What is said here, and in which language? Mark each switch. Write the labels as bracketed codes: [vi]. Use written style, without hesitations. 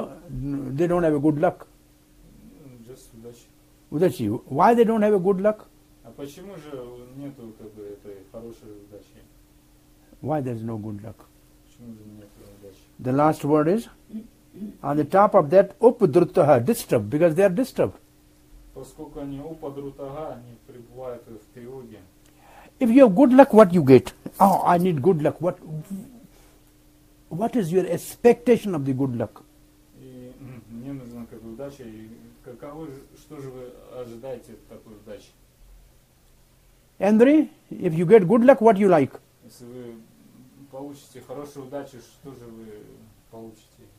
[en] They don't have a good luck. Just [ru] удачи. Удачи. [en] Why they don't have a good luck? [ru] А почему же нету как бы этой хорошей удачи? [en] Why there's no good luck? [ru] Почему же нету удачи? [en] The last word is? On the top of that, upadrutaha, disturbed, because they are disturbed. [ru] Поскольку они упадрутага, они пребывают в тревоге. [en] If you have good luck, what you get? Oh, I need good luck. What is your expectation of the good luck? [ru] Мне нужна как удача. И каково, что же вы ожидаете от такой удачи? [en] Andrey, if you get good luck, what you like? [ru] Если вы получите хорошую удачу, что же вы получите?